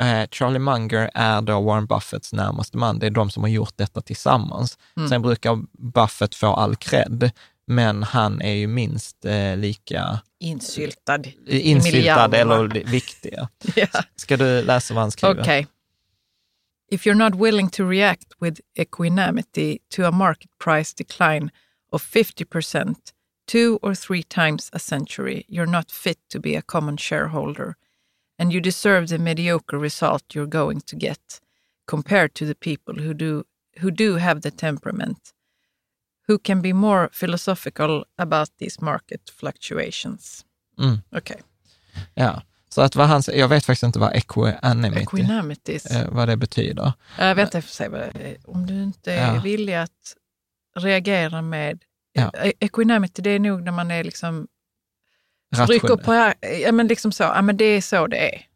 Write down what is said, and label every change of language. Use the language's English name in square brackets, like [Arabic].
[Swedish] Charlie Munger är då Warren Buffetts närmaste man. Det är de som har gjort detta tillsammans. Mm. Sen brukar Buffett få all cred, men han är ju minst lika insyltad eller viktig. [English] Yeah. [Swedish] Ska du läsa vad han skriver? [English] Okay. If you're not willing to react with equanimity to a market price decline of 50% 2 or 3 times a century, you're not fit to be a common shareholder. And you deserve the mediocre result you're going to get compared to the people who do have the temperament, who can be more philosophical about these market fluctuations. Mm. Okay. Yeah. [Swedish] Så att vad han, jag vet faktiskt inte vad equanimity vad det betyder. Jag vet inte, för sig, om du inte är villig att reagera med equanimity, det är nog när man är liksom rycker på, ja men liksom så, ja men det är så det är.